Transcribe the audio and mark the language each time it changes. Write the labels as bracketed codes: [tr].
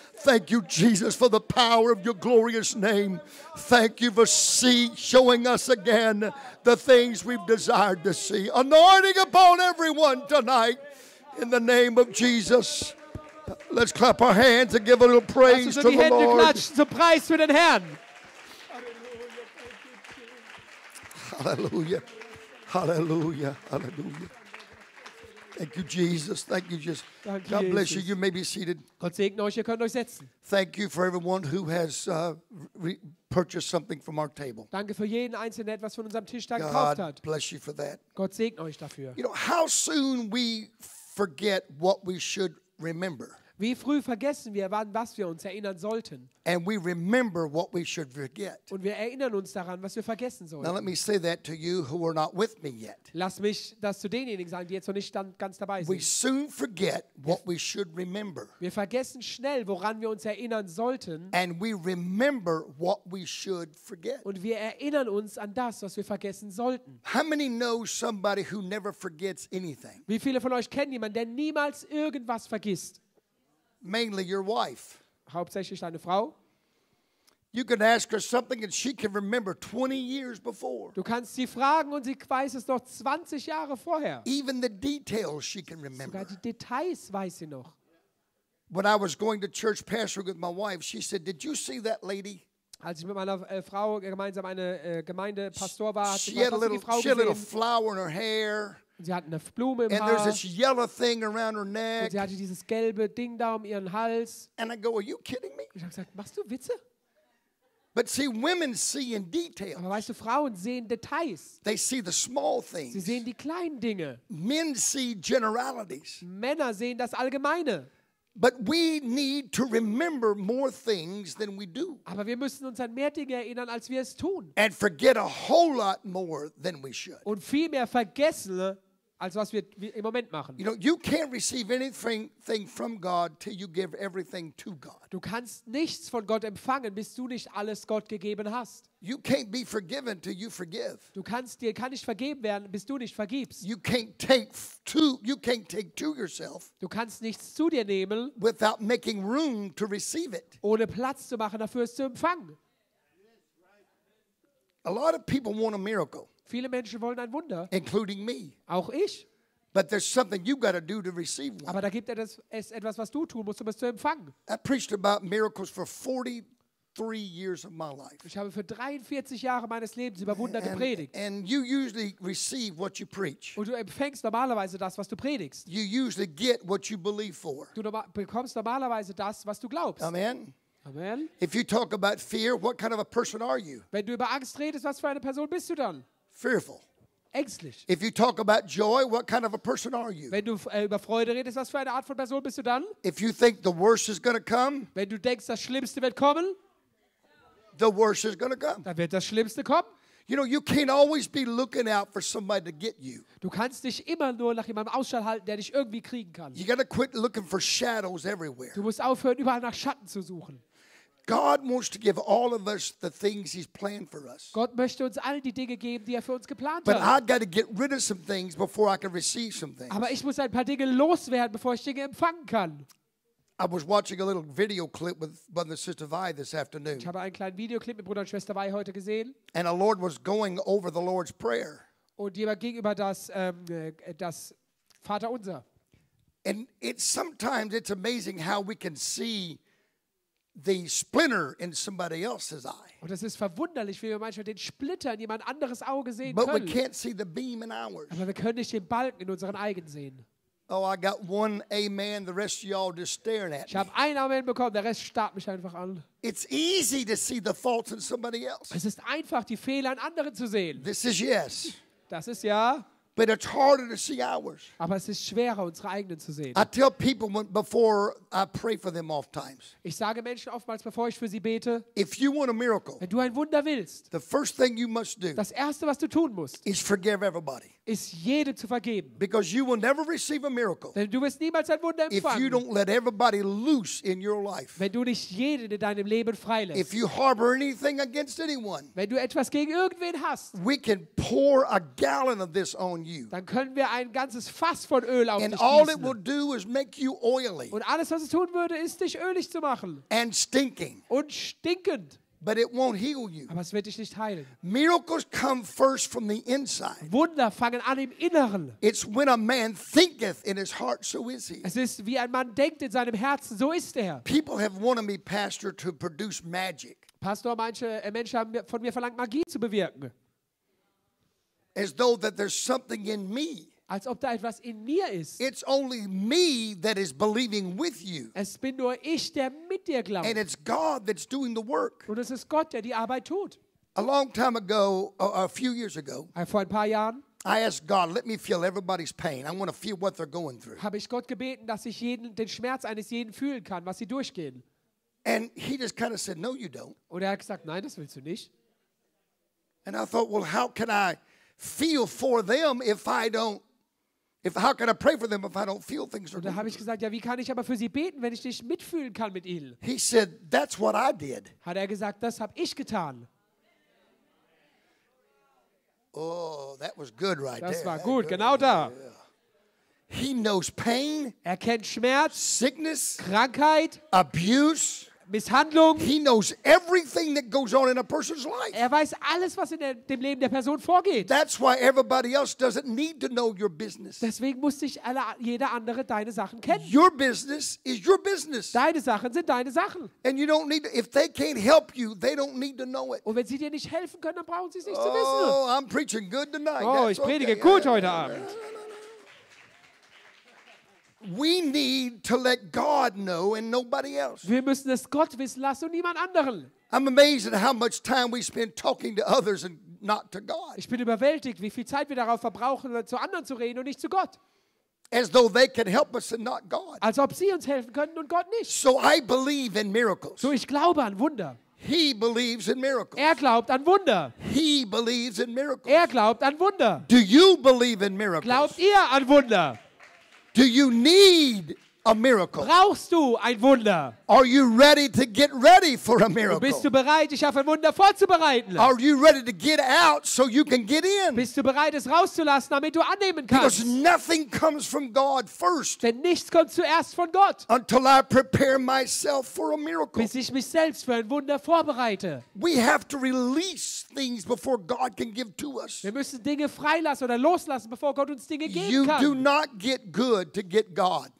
[en] Thank you, Jesus, for the power of your glorious name. Thank you for showing us again the things we've desired to see. Anointing upon everyone tonight. In the name of Jesus, let's clap our hands and give a little praise to the Lord. [de] Lass uns die Hände klatschen zum Preis für den Herrn. [en] Hallelujah, hallelujah, hallelujah. Thank you, Jesus. Thank you, Jesus. [de] Danke, [en] God bless Jesus. You. You may be seated. [de] Gott segne euch. Ihr könnt euch setzen. [en] Thank you for everyone who has purchased something from our table. [de] Danke für jeden einzelnen, etwas von unserem Tisch gekauft hat. [en] God bless you for that. [de] Gott segne euch dafür. [en] You know how soon we forget what we should remember. [de] Wie früh vergessen wir, wann was wir uns erinnern sollten. [en] And we remember what we should forget. [de] Und wir erinnern uns daran, was wir vergessen sollen. [en] Now let me say that to you who are not with me yet. [de] Lass mich das zu denjenigen sagen, die jetzt noch nicht ganz dabei sind. [en] We soon forget what we should remember. [de] Wir vergessen schnell, woran wir uns erinnern sollten. [en] And we remember what we should forget. [de] Und wir erinnern uns an das, was wir vergessen sollten. [en] How many know somebody who never forgets anything? [de] Wie viele von euch kennen jemanden, der niemals irgendwas vergisst? [en] Mainly your wife. [de] Hauptsächlich deine Frau. [en] You can ask her something and she can remember 20 years before. [de] Du kannst sie fragen und sie weiß es noch 20 Jahre vorher. [en] Even the details she can remember. [de] Sogar die Details weiß sie noch. [en] When I was going to church pastoring with my wife, she said, "Did you see that lady?" [de] Als ich mit meiner Frau gemeinsam eine Gemeindepastor war, hat sie die Frau gesehen. [en] She had a little flower in her hair. [de] Sie hatte eine Blume im [en] and [de] Haar. [en] There's this yellow thing around her neck. [de] Und sie hatte dieses gelbe Ding da ihren Hals. [en] And I go, "Are you kidding me?" [de] Ich habe gesagt, machst du Witze? [en] But see, women see in detail. [de] Aber weißt du, Frauen sehen Details. [en] They see the small things. [de] Sie sehen die kleinen Dinge. [en] Men see generalities. [de] Männer sehen das Allgemeine. [en] But we need to remember more things than we do. [de] Aber wir müssen uns an mehr Dinge erinnern, als wir es tun. [en] And forget a whole lot more than we should. [de] Und viel mehr vergessen, als was wir im Moment machen. [en] You know, you can't receive anything from God till you give everything to God. [de] Du kannst nichts von Gott empfangen, bis du nicht alles Gott gegeben hast. [en] You can't be forgiven till you forgive. [de] Du kannst dir kann nicht vergeben werden, bis du nicht vergibst. [en] You can't take to yourself. [de] Du kannst nichts zu dir nehmen. [en] Without making room to receive it. [de] Ohne Platz zu machen dafür, es zu empfangen. [en] A lot of people want a miracle. [de] Viele Menschen wollen ein Wunder. [en] Including me. [de] Auch ich. [en] But there's something you got to do to receive one. [de] Aber da gibt es etwas, was du tun musst, um es zu empfangen. [en] I preached about miracles for 43 years of my life. [de] Ich habe für 43 Jahre meines Lebens über Wunder gepredigt. [en] And you usually receive what you preach. [de] Und du empfängst normalerweise das, was du predigst. [en] You usually get what you believe for. [de] Du bekommst normalerweise das, was du glaubst. [en] Amen. [de] Amen. [en] If you talk about fear, what kind of a person are you? [de] Wenn du über Angst redest, was für eine Person bist du dann? [en] Fearful. [de] Ängstlich. [en] If you talk about joy, what kind of a person are you? [de] Wenn du über Freude redest, was für eine Art von Person bist du dann? [en] If you think the worst is going to come? [de] Wenn du denkst, das Schlimmste wird kommen? [en] The worst is going to come. [de] Dann wird das Schlimmste kommen. [en] You know, you can't always be looking out for somebody to get you. [de] Du kannst dich immer nur nach jemandem Ausschau halten, der dich irgendwie kriegen kann. [en] You got to quit looking for shadows everywhere. [de] Du musst aufhören, überall nach Schatten zu suchen. [en] God wants to give all of us the things He's planned for us. [de] Gott möchte uns all die Dinge geben, die für uns geplant hat. [en] But I got to get rid of some things before I can receive some things. [de] Aber ich muss ein paar Dinge loswerden, bevor ich Dinge empfangen kann. [en] I was watching a little video clip with Brother Sister Vi this afternoon. [de] Ich habe einen kleinen Videoclip mit Bruder und Schwester Vi heute gesehen. [en] And the Lord was going over the Lord's Prayer. [de] Und jemand ging über das Vater Unser. [en] And sometimes it's amazing how we can see the splinter in somebody else's eye. [de] Und das ist verwunderlich, wie wir manchmal den Splitter in jemand anderes Auge sehen [en] but [de] können. [en] We can't see the beam in ours. [de] Aber wir können nicht den Balken in unseren eigenen sehen. [en] Oh, I got one amen, the rest of y'all just staring at me. [de] Ich habe ein Amen bekommen, der Rest starrt mich einfach an. [en] It's easy to see the faults in somebody else. [de] Es ist einfach, die Fehler in anderen zu sehen. [en] This is yes. [de] Das ist ja. [en] But it's harder to see ours. [de] Aber es ist schwerer, unsere eigenen zu sehen. [en] I tell people when, before I pray for them oft times. [de] Ich sage Menschen oftmals, bevor ich für sie bete. [en] If you want a miracle, [de] wenn du ein Wunder willst, [en] the first thing you must do, [de] das erste, was du tun musst, [en] is forgive everybody. [de] Ist jedem zu vergeben. [en] Because you will never receive a miracle, [de] denn du wirst niemals ein Wunder empfangen, [en] if you don't let everybody loose in your life, [de] wenn du nicht jeden in deinem Leben freilässt. [en] If you harbor anything against anyone, [de] wenn du etwas gegen irgendwen hast, [en] we can pour a gallon of this on you. [de] Dann können wir ein ganzes Fass von Öl auf [en] and [de] dich gießen. [en] It will do is make you oily. [de] Und alles, was es tun würde, ist, dich ölig zu machen. [en] And stinking. [de] Und stinkend. [en] But it won't heal you. [de] Aber es wird dich nicht heilen. [en] Miracles come first from the inside. [de] Wunder fangen an im Inneren. [en] It's when a man thinketh in his heart, so is he. [de] Es ist, wie ein Mann denkt in seinem Herzen, so ist er. [en] People have wanted me, Pastor, to produce magic. [de] Pastor, manche Menschen haben von mir verlangt, Magie zu bewirken. [en] As though that there's something in me. [de] Als ob da etwas in mir ist. [en] It's only me that is believing with you. [de] Es bin nur ich, der mit dir glaubt. [en] And it's God that's doing the work. [de] Und es ist Gott, der die Arbeit tut. [en] A long time ago, a few years ago, [de] vor ein paar Jahren, [en] I asked God, let me feel everybody's pain. I want to feel what they're going through. [de] Habe ich Gott gebeten, dass ich jeden den Schmerz eines jeden fühlen kann, was sie durchgehen. [en] And he just kind of said, no, you don't. [de] Und er hat gesagt, nein, das willst du nicht. [en] And I thought, well, how can I feel for them if how can I pray for them if I don't feel things are good? [de] Da habe ich gesagt, ja, wie kann ich aber für sie beten, wenn ich nicht mitfühlen kann mit ihnen? [en] He said, that's what I did. [de] Hat er gesagt, das habe ich getan. [en] Oh, that was good right [de] das [en] there. [de] Das war gut, genau da. [en] He knows pain. [de] Er kennt Schmerz. [en] Sickness. [de] Krankheit. [en] Abuse. [de] Misshandlung. [en] He knows everything that goes on in a person's life. [de] Er weiß alles, was in dem Leben der Person vorgeht. [en] That's why everybody else doesn't need to know your business. [de] Deswegen muss sich jeder andere deine Sachen kennen. [en] Your business is your business. [de] Deine Sachen sind deine Sachen. [en] And you don't need to, if they can't help you, they don't need to know it. [de] Und wenn sie dir nicht helfen können, dann brauchen sie es nicht zu wissen. [en] Oh, I'm preaching good tonight. [de] Oh, ich predige gut heute Abend. [en] We need to let God know and nobody else. [de] Wir müssen es Gott wissen lassen und niemand anderen. [en] I'm amazed at how much time we spend talking to others and not to God. [de] Ich bin überwältigt, wie viel Zeit wir darauf verbrauchen, zu anderen zu reden und nicht zu Gott. [en] As though they could help us and not God. [de] Als ob sie uns helfen könnten und Gott nicht. [en] So I believe in miracles. [de] So ich glaube an Wunder. [en] He believes in miracles. [de] Er glaubt an Wunder. [en] He believes in miracles. [de] Er glaubt an Wunder. [en] Do you believe in miracles? [de] Glaubt ihr an Wunder? [en] Do you need a miracle? [de] Brauchst du ein Wunder? [en] Are you ready to get ready for a miracle? [de] Bist du bereit, dich auf ein Wunder vorzubereiten? [en] Are you ready to get out so you can get in? [de] Bist du bereit, es rauszulassen, damit du annehmen kannst? [en] Because nothing comes from God first. [de] Denn nichts kommt zuerst von Gott. [en] Until I prepare myself for a miracle. [de] Bis ich mich selbst für ein Wunder vorbereite. [en] We have to release things before God can give to us. [de] Wir müssen Dinge freilassen oder loslassen, bevor Gott uns Dinge geben kann. [en] You do not get good to get God.